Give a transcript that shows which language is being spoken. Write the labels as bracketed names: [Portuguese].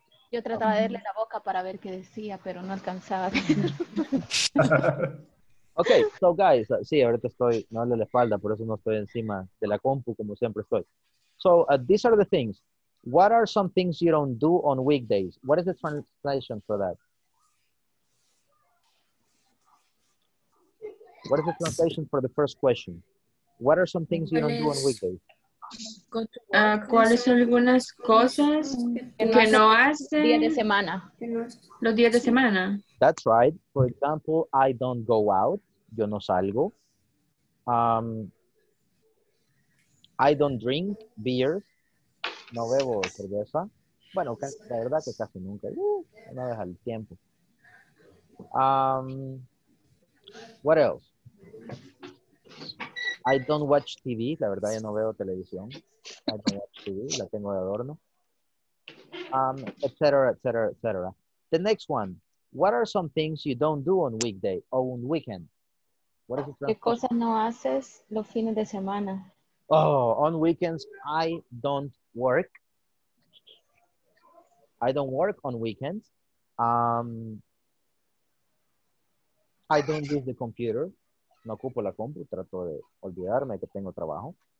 [Spanish] Yo trataba de darle la boca para ver qué decía, pero no alcanzaba. Ok, so guys, sí, ahorita estoy, no hablo la espalda, por eso no estoy encima de la compu como siempre estoy. [English] So, these are the things. What are some things you don't do on weekdays? What is the translation for that? What is the translation for the first question? What are some things you don't do on weekdays? [Spanish] ¿Cuáles son algunas cosas que no hacen día de semana? Los días de semana. [English] That's right. For example, I don't go out. [Spanish] Yo no salgo. [English] I don't drink beer. [Spanish] No bebo cerveza. Bueno, la verdad que casi nunca. No deja el tiempo. [English] What else? I don't watch TV. [Spanish] La verdad, ya no veo televisión. I don't watch TV. La tengo de adorno. [English] Et cetera, et cetera, et cetera. The next one. What are some things you don't do on weekday or on weekend? What is it? [Spanish] ¿Qué cosas no haces los fines de semana? [English] Oh, on weekends, I don't work. I don't work on weekends. I don't use the computer. [Spanish] No ocupo la compu, trato de olvidarme que tengo trabajo.